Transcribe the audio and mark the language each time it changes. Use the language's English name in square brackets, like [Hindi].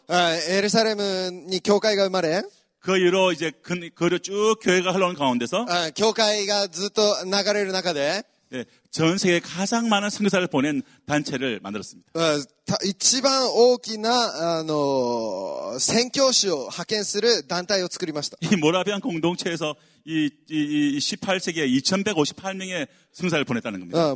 [Japanese] エルサレムに教会が生まれ [Korean] 그이후로이제그로쭉교회가흘러온가운데서 [Japanese] 教会がずっと流れる中で [Korean] 네전세계가장많은선교사를보낸단체를만들었습니다 [Japanese] 一番大きな宣教師を派遣する団体を作りました [Korean] 이모라비안공동체에서18세기에2158명의선교사를보냈다는겁니다